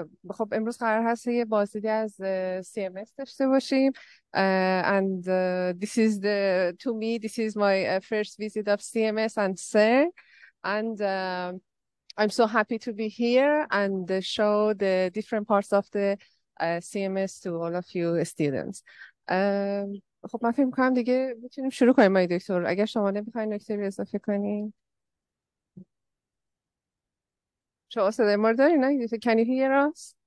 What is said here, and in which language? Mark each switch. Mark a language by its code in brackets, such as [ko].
[fa] خب امروز قرار هست یه بازدیدی از CMS داشته باشیم. [en] And this is the to me this is my first visit of CMS and CER. And I'm so happy to be here and show the different parts of the CMS to all of you students. [fa] خب من فکر می‌کنم دیگه می‌تونیم شروع کنیم آقای دکتر اگر شما نمی‌خواید نکته‌ای اضافه کنیم شما صدای ما رو دارین نه دکتر کنی هی راس